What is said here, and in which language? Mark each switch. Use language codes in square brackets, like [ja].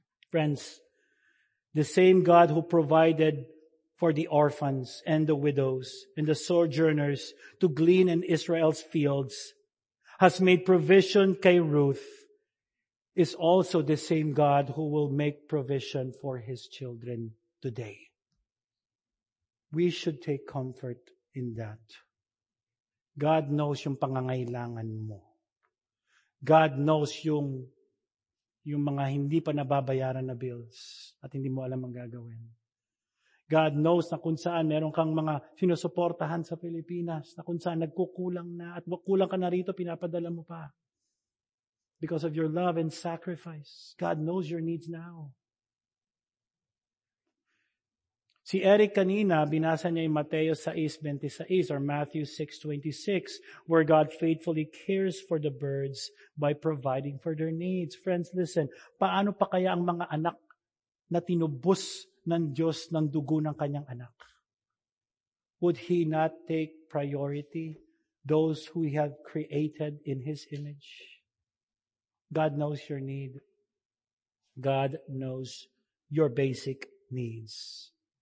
[en] Friends, the same God who provided for the orphans and the widows and the sojourners to glean in Israel's fields has made provision kay Ruth is also the same God who will make provision for his children today. We should take comfort in that. God knows [tl] yung pangangailangan mo. [en] God knows [tl] yung mga hindi pa nababayaran na bills at hindi mo alam ang gagawin. [en] God knows [tl] na kung saan meron kang mga sinusuportahan sa Pilipinas, na kung saan nagkukulang na at kulang ka na rito, pinapadala mo pa. [en] Because of your love and sacrifice, God knows your needs now. [tl] Si Eric kanina, binasa niya yung Mateo 6:26 [en] or Matthew 6:26, where God faithfully cares for the birds by providing for their needs. Friends, listen, [tl] paano pa kaya ang mga anak na tinubos ng Diyos ng dugo ng kanyang anak? [en] Would He not take priority those who He had created in His image? God knows your need. God knows your basic needs.